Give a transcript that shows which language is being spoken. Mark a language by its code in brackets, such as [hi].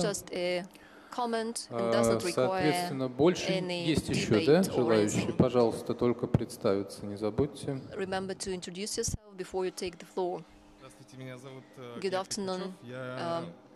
[en] It's just a comment and doesn't require any [ru] больше [en] any [ru] есть еще, да, желающие? Пожалуйста, только представиться, не забудьте. [en] Remember to introduce yourself before you take the floor. [ru] Здравствуйте, меня зовут Глеб Лихачев.